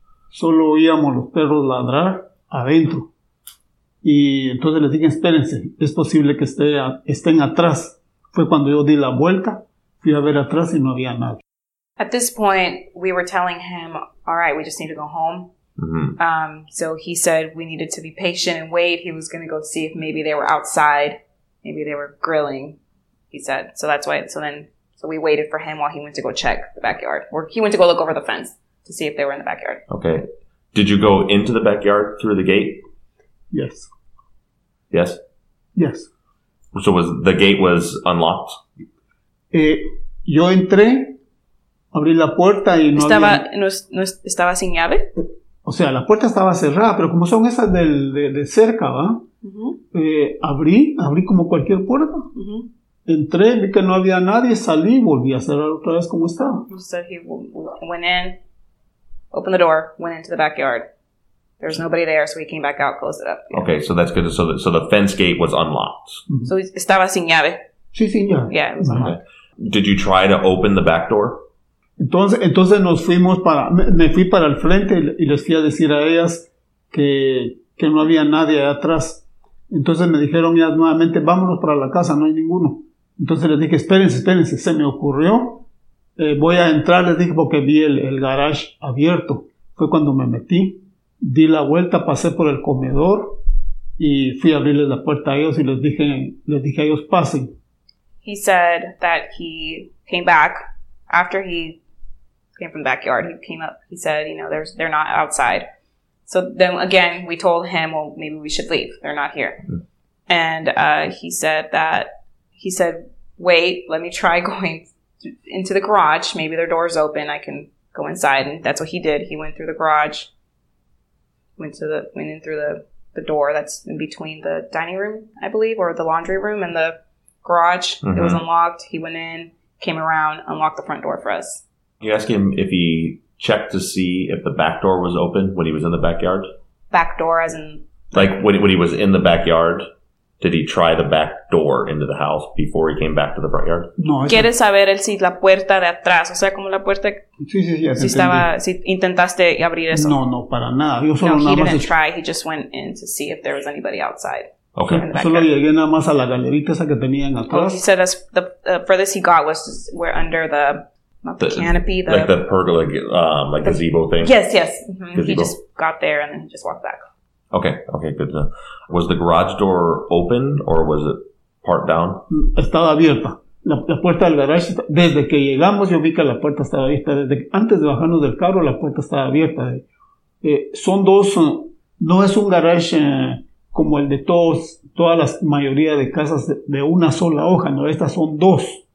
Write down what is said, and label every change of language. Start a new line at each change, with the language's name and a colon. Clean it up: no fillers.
Spanish: Solo oíamos los perros ladrar adentro. Y entonces les dije, espérense, es posible que estén atrás. Fue cuando yo di la vuelta, fui a ver atrás y no había nadie.
English: At this point, we were telling him, all right, we just need to go home. Mm-hmm. So he said we needed to be patient and wait. He was going to go see if maybe they were outside. Maybe they were grilling, he said. So that's why. So we waited for him while he went to go check the backyard. Or he went to go look over the fence to see if they were in the backyard. Okay. Did you go into the backyard through the gate? Yes. Yes? Yes. So was the gate was unlocked?
Spanish: Yo entré, abrí la puerta y no estaba, había... ¿Estaba sin llave? O sea, la puerta estaba cerrada, pero como son esas de cerca, ¿va? Uh-huh. Abrí como cualquier puerta. Uh-huh. Entré, vi que no había nadie, salí y volví a cerrar otra vez como estaba.
English: So he went in, opened the door, went into the backyard. There was nobody there, so he came back out, closed it up. Yeah. Okay, so that's good. So the fence gate was unlocked.
Spanish: Mm-hmm. So estaba sin llave. Sí, sin llave.
English: Yeah, it was unlocked. Okay. Did you try to open the back door?
Spanish: Entonces nos fuimos para... Me fui para el frente y les fui a decir a ellas que no había nadie allá atrás. Entonces me dijeron ya nuevamente, vámonos para la casa, no hay ninguno. Entonces les dije, espérense. Se me ocurrió. Voy a entrar, les dije, porque vi el garage abierto. Fue cuando me metí. Di la vuelta, pasé por el comedor y fui a abrirles la puerta a ellos y les dije a ellos, pasen.
English: He said that he came back after he came from the backyard. He came up, he said, you know, they're not outside. So then again, we told him, well, maybe we should leave. They're not here. Mm-hmm. And he said, wait, let me try going into the garage. Maybe their door's open. I can go inside. And that's what he did. He went through the garage. Went in through the door that's in between the dining room, I believe, or the laundry room and the garage. Mm-hmm. It was unlocked. He went in, came around, unlocked the front door for us. You ask him if he checked to see if the back door was open when he was in the backyard? Back door as in... Like when he was in the backyard, did he try the back door into the house before he came back to the front yard? No.
Spanish: ¿Quieres saber si la puerta de atrás, o sea, como la puerta... Sí, estaba, si intentaste abrir eso. No, para nada. Yo solo
English: no, he
Spanish: nada
English: didn't
Spanish: más
English: try. He just went in to see if there was anybody outside. Okay.
Spanish: Solo llegué nada más a la galerita esa que tenía en atrás.
English: He said the furthest he got was just, we're under the, not the canopy. The, like the pergola, like the gazebo thing? Yes. Mm-hmm. He just got there and then he just walked back. Okay, good. Was the garage door open or was it part down?
Spanish: Estaba abierta. La puerta del garage, desde que llegamos, yo vi que la puerta estaba abierta. Desde antes de bajarnos del carro, la puerta estaba abierta. Son dos, no es un garage como el de todas las mayoría de casas de una sola hoja, no, estas son dos.